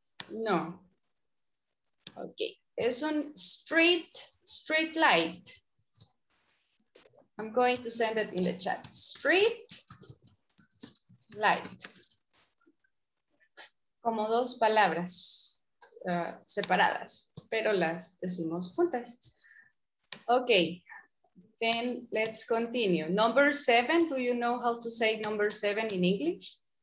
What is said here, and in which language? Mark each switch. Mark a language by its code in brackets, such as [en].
[es] No. Okay. Es un street light. [en] I'm going to send it in the chat. Street light. [es] Como dos palabras separadas, pero las decimos juntas. [en] Okay. Then let's continue. Number seven, do you know how to say number seven in English?